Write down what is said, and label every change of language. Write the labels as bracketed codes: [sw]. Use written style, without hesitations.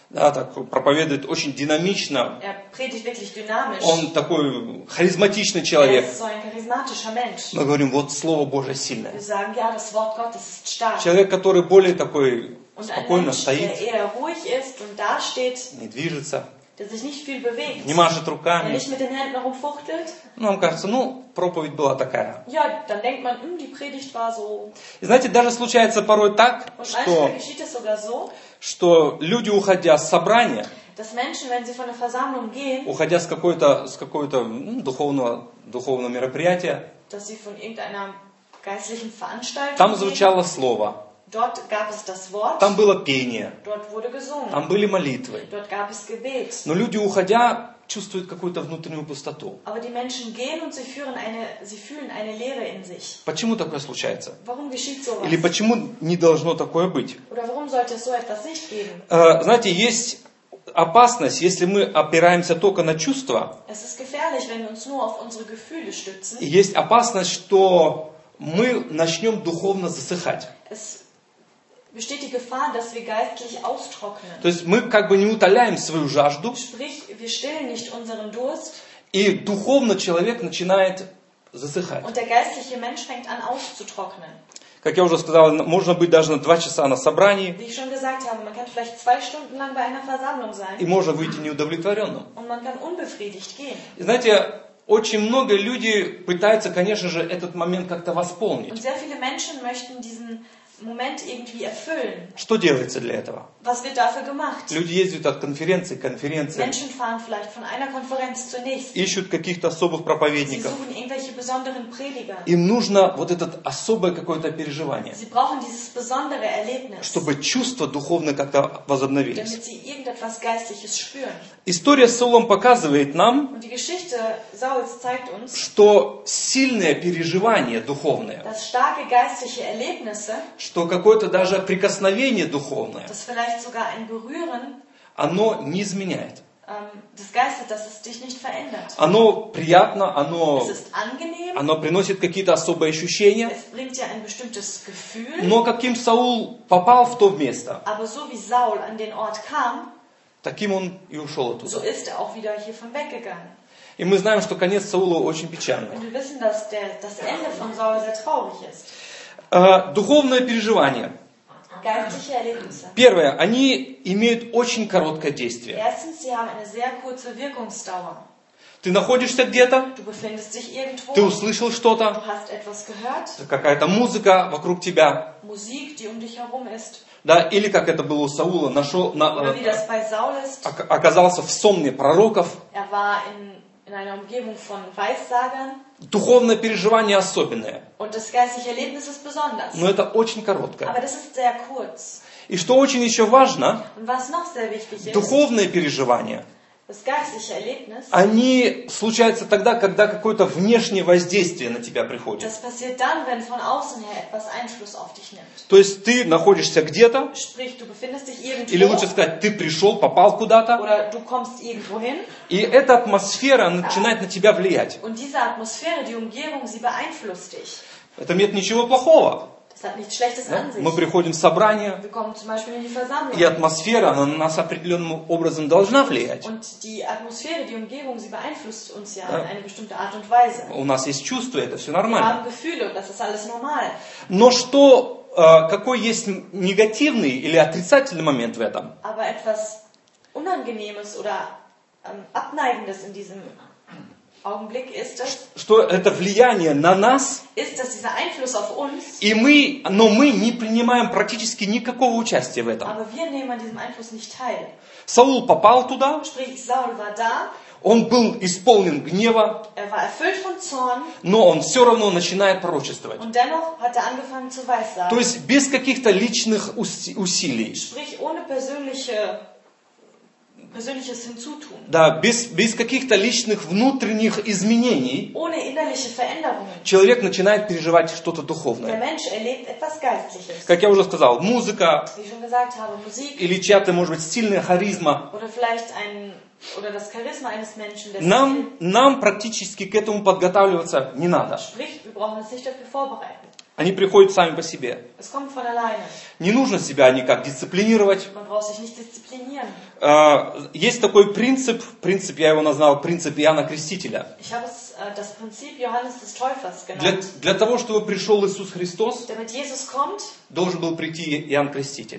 [ru] да, так проповедует очень динамично. [de] Er predigt wirklich dynamisch. [ru] Он такой харизматичный человек. [de] Er ist so ein charismatischer Mensch. [ru] Мы говорим, вот Слово Божие сильное. [de] Wir sagen, ja, das Wort Gottes ist stark. [ru] Человек, который более такой спокойно [de] Mensch, [ru] стоит, [de] der eher ruhig ist und dasteht, [ru] не движется, [de] der sich nicht viel bewegt, [ru] не машет руками, [de] der nicht mit den Händen rumfuchtelt, [ru] нам кажется, ну, проповедь была такая. [de] Ja, dann denkt man, die Predigt war so. [ru] И знаете, даже случается порой так, [de] und [ru] что [de] manchmal geschieht es sogar so, [ru] что люди, уходя с собрания, [de] dass Menschen, wenn sie von der Versammlung gehen, [ru] уходя с какого-то духовного мероприятия, [de] dass sie von irgendeiner geistlichen Veranstaltung [ru] там звучало слово, [de] dort gab es das Wort, [ru] там было пение, [de] dort wurde gesungen, [ru] там были молитвы, [de] dort gab es Gebet. [ru] Но люди, уходя, чувствует какую-то внутреннюю пустоту. [de] Aber die Menschen gehen und sie fühlen eine Leere in sich. [ru] Почему такое случается? [de] Warum geschieht sowas? [ru] Или почему не должно такое быть? [de] Oder warum sollte so etwas nicht geben? [ru] Знаете, есть опасность, если мы опираемся только на чувства. [de] Es ist gefährlich, wenn wir uns nur auf unsere Gefühle stützen. [ru] Есть опасность, что мы начнем духовно засыхать. [de] Es besteht die Gefahr, dass wir geistlich austrocknen. [ru] То есть мы как бы не утоляем свою жажду. [de] Sprich, wir stillen nicht unseren Durst. [ru] И духовно человек начинает засыхать. [de] Und der geistliche Mensch fängt an auszutrocknen. [ru] Как я уже сказал, можно быть даже на 2 часа на собрании. [de] Wie ich schon gesagt habe, man kann vielleicht 2 Stunden lang bei einer Versammlung sein. [ru] И можно выйти неудовлетворенным. [de] Und man kann unbefriedigt gehen. [ru] И знаете, очень много людей пытаются, конечно же, этот момент как-то восполнить. [de] Und sehr viele Menschen möchten diesen Moment irgendwie erfüllen. [ru] Что делается для этого? [de] Was wird dafür gemacht? [ru] Люди ездят от конференции к конференции. [de] Menschen fahren vielleicht von einer Konferenz zur nächsten. [ru] Ищут каких-то особых проповедников. [de] Sie suchen irgendwelche besonderen Prediger. [ru] Им нужно вот это особое какое-то переживание. [de] Sie brauchen dieses besondere Erlebnis. [ru] Чтобы чувства духовные как-то возобновились. [de] Damit sie irgendetwas Geistliches spüren. [ru] История с Саулом показывает нам, [de] und die Geschichte Sauls zeigt uns, [ru] что сильное переживание духовное, [de] dass starke geistliche Erlebnisse, [ru] что какое-то даже прикосновение духовное, [de] das vielleicht sogar ein Berühren, [ru] оно не изменяет. [de] Das Geiste, dass es dich nicht verändert. [ru] Оно приятно, оно, [de] es ist angenehm, [ru] оно приносит какие-то особые ощущения, [de] es bringt dir ein bestimmtes Gefühl, [ru] но каким Саул попал в то место, [de] aber so wie Saul an den Ort kam, [ru] таким он и ушел оттуда. [de] So ist er auch wieder hiervon weggegangen. [ru] И мы знаем, что конец Саула очень печальный. [de] Und wir wissen, dass der, das Ende von Saul sehr traurig ist. [ru] Духовное переживание. [de] Geistliche Erlebnisse. [ru] Первое, они имеют очень короткое действие. [de] Erstens, sie haben eine sehr kurze Wirkungsdauer. [ru] Ты находишься где-то, [de] du befindest dich irgendwo, [ru] ты услышал что-то, [de] du hast etwas gehört, [ru] какая-то музыка вокруг тебя, [de] Musik, die um dich herum ist. [ru] Да, или как это было у Саула, нашел, оказался в сонме пророков. [de] Er war in einer Umgebung von Weissagern. [ru] Духовное переживание особенное. [de] Und das geistliche Erlebnis ist besonders. [ru] Но это очень короткое. [de] Aber das ist sehr kurz. [ru] И что очень еще важно, [de] und was noch sehr wichtig ist, [ru] духовное переживание, [de] das geistliche Erlebnis, [ru] они случаются тогда, когда какое-то внешнее воздействие на тебя приходит. [de] Das passiert dann, wenn von außen her etwas Einfluss auf dich nimmt. [ru] То есть ты находишься где-то, [de] sprich, du befindest dich irgendwo, [ru] или лучше сказать, ты пришел, попал куда-то, [de] oder du kommst irgendwohin, [ru] и эта атмосфера начинает на тебя влиять. [de] Und diese Atmosphäre, die Umgebung, sie beeinflusst dich. [ru] В этом нет ничего плохого. [de] Das hat nichts Schlechtes an sich. [ru] Мы приходим в собрание, [de] wir kommen zum Beispiel in die Versammlung, [ru] и атмосфера на нас определенным образом должна влиять. [de] Und die Atmosphäre, die Umgebung, sie beeinflusst uns ja, in eine bestimmte Art und Weise. [ru] У нас есть чувства, это все нормально. [de] Wir haben Gefühle, und das ist alles normal. [ru] Но что, какой есть негативный или отрицательный момент в этом? [de] Aber etwas Unangenehmes oder Abneigendes in diesem Augenblick ist es, [ru] что это влияние на нас, [de] ist das dieser Einfluss auf uns, [ru] и мы, но мы не принимаем практически никакого участия в этом. [de] Aber wir nehmen an diesem Einfluss nicht teil. [ru] Саул попал туда, [de] sprich, Saul war da, [ru] он был исполнен гнева, [de] er war erfüllt von Zorn, [ru] но он все равно начинает пророчествовать. [de] Und dennoch hat er angefangen zu weissagen. [ru] То есть без каких-то личных усилий. [de] Sprich, ohne persönliche Persönliches hinzutun. [ru] Да, без каких-то личных внутренних изменений. [de] Ohne innerliche Veränderungen. [ru] Человек начинает переживать что-то духовное. [de] Der Mensch erlebt etwas Geistliches. [ru] Как я уже сказал, музыка. [de] Wie schon gesagt habe, Musik. [ru] Или чья-то, может быть, сильная харизма. [de] Oder vielleicht ein oder das Charisma eines Menschen. [ru] Нам практически к этому подготавливаться не надо. [de] Sprich, wir brauchen uns nicht dafür vorbereiten. [ru] Они приходят сами по себе. [de] Es kommt von alleine. [ru] Не нужно себя никак дисциплинировать. [de] Man braucht sich nicht disziplinieren. [ru] Есть такой принцип, я его назвал принцип Иоанна Крестителя. [de] Ich habe das Prinzip Johannes des Täufers genannt. [ru] Для того, чтобы пришел Иисус Христос, [de] damit Jesus kommt, [ru] должен был прийти Иоанн Креститель.